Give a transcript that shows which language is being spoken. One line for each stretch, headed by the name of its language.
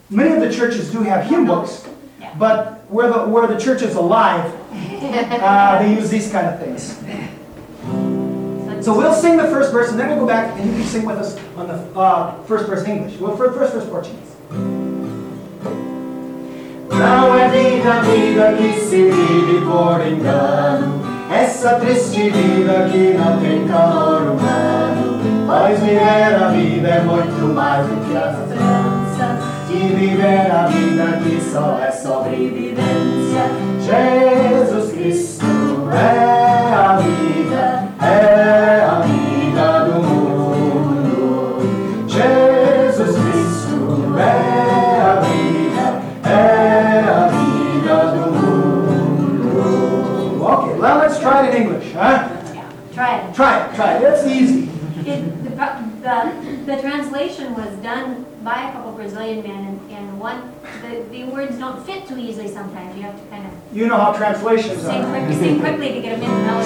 English: Many of the churches do have hymn books. Yeah. But where the church is alive, they use these kind of things. So we'll sing the first verse, and then we'll go back, and you can sing with us on the first verse English. Well, first verse Portuguese.
Portuguese: Não é vida, vida que se vive por engano. Essa triste vida que não tem calor humano. Pois viver a vida é muito mais do que a e viver a vida que só é sobrevivência. Jesus Cristo é a vida do mundo. Jesus Cristo é a vida do mundo.
English: Okay, well, let's try it in English, huh? Yeah, try it. That's easy. The problem. the translation was done by a couple of Brazilian men, and one, the words don't fit too easily sometimes. You have to kind of... You know how translations sing are. Quick, sing quickly to get a minute.